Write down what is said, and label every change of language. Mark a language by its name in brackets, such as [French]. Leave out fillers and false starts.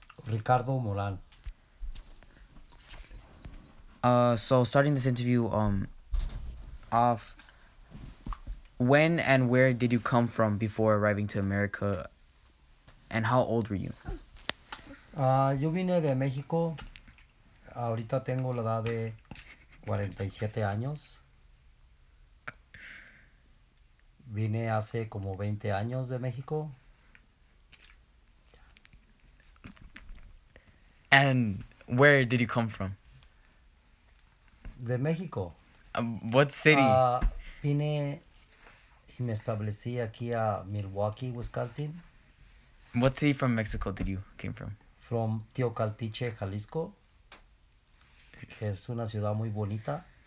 [English] Ricardo Molan. So starting this interview off, when and where did you come from before arriving to America, and how old were you? [Spanish] Yo vine de México. Ahorita tengo la edad de 47 años. Vine hace como 20 años de México. [English] And where did you come from? [Spanish] De México. [English] What city? [Spanish] Vine y me establecí aquí a Milwaukee, Wisconsin. [English] What city from Mexico did you came from? From Teocaltiche, Jalisco. [Spanish] Es una ciudad muy bonita.